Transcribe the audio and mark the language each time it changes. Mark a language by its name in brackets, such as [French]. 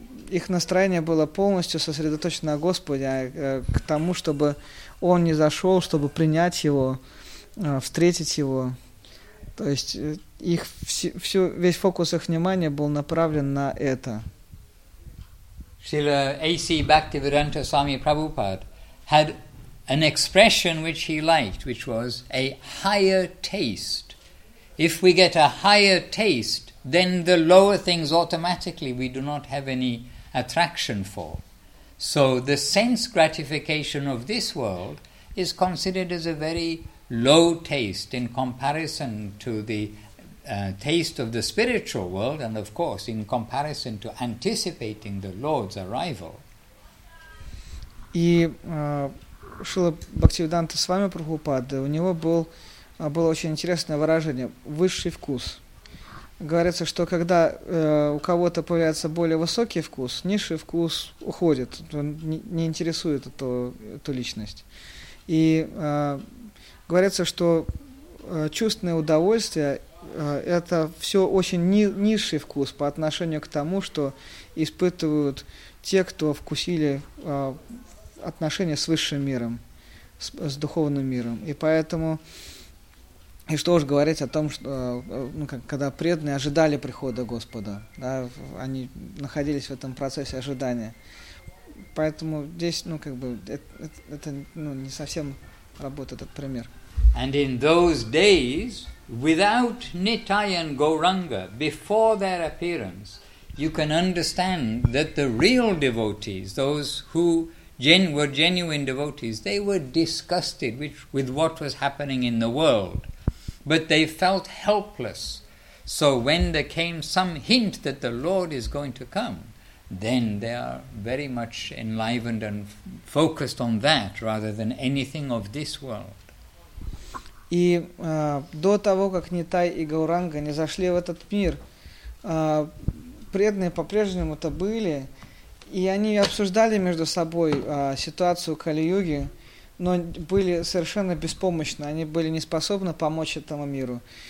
[Russian] Их настроение было полностью сосредоточено на Господе, к тому, чтобы Он не зашел, чтобы принять Его, встретить Его. То есть их весь фокус их внимания был направлен на это. [English] Srila A.C. Bhaktivedanta Swami Prabhupada had an expression which he liked, which was a higher taste. If we get a higher taste, then the lower things automatically we do not have any attraction for. So the sense gratification of this world is considered as a very low taste in comparison to the taste of the spiritual world, and of course in comparison to anticipating the Lord's arrival. [Russian] И Шрила Бхактивиданта Свами Прабхупада, у него было очень интересное выражение «высший вкус». Говорится, что когда у кого-то появляется более высокий вкус, низший вкус уходит, он не интересует эту личность. И говорится, что чувственное удовольствие – это все очень низший вкус по отношению к тому, что испытывают те, кто вкусили отношения с высшим миром, с духовным миром. И поэтому, и что уж говорить о том, что, когда преданные ожидали прихода Господа, да, они находились в этом процессе ожидания. Поэтому здесь, не совсем работает этот пример. [English] And in those days, without Nitai and Gauranga, before their appearance, you can understand that the real devotees, those who were genuine devotees, they were disgusted with what was happening in the world. But they felt helpless. So when there came some hint that the Lord is going to come, then they are very much enlivened and focused on that rather than anything of this world. [Russian] И до того, как Нитай и Гауранга не зашли в этот мир, преданные по-прежнему-то были, и они обсуждали между собой ситуацию Кали-юги, но были совершенно беспомощны, они были не способны помочь этому миру.